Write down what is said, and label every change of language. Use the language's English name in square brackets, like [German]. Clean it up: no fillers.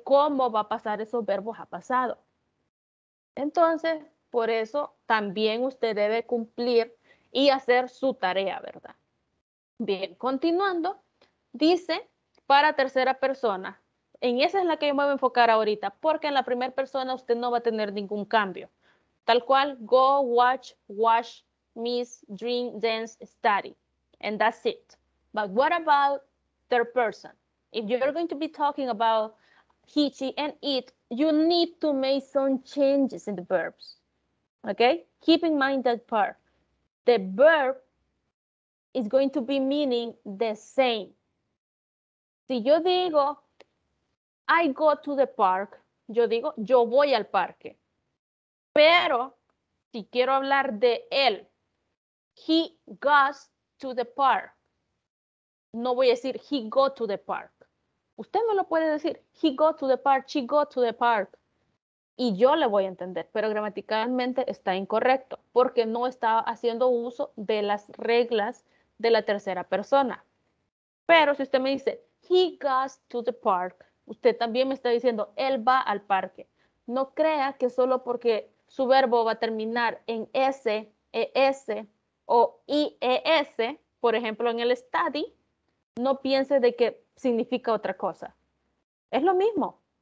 [Spanish] ¿Cómo va a pasar esos verbos a pasado? Entonces, por eso también usted debe cumplir y hacer su tarea, ¿verdad? Bien, continuando. Dice, para tercera persona, en esa es la que yo me voy a enfocar ahorita, porque en la primera persona usted no va a tener ningún cambio. Tal cual, [English] go, watch, wash, miss, drink, dance, study, and that's it. But what about third person? If you're going to be talking about he, she, and it, you need to make some changes in the verbs. Okay? Keep in mind that part. The verb is going to be meaning the same. [Spanish] Si yo digo, [English] I go to the park, [Spanish] yo digo, yo voy al parque. Pero si quiero hablar de él, [English] he goes to the park. [Spanish] No voy a decir [English] he go to the park. [Spanish] Usted me lo puede decir. [English] He go to the park, she go to the park. [Spanish] Y yo le voy a entender, pero gramaticalmente está incorrecto porque no está haciendo uso de las reglas de la tercera persona. Pero si usted me dice [English] he goes to the park, [Spanish] usted también me está diciendo él va al parque. No crea que solo porque su verbo va a terminar en S, ES o IES, por ejemplo, en el study, no piense de que significa otra cosa. Es lo mismo.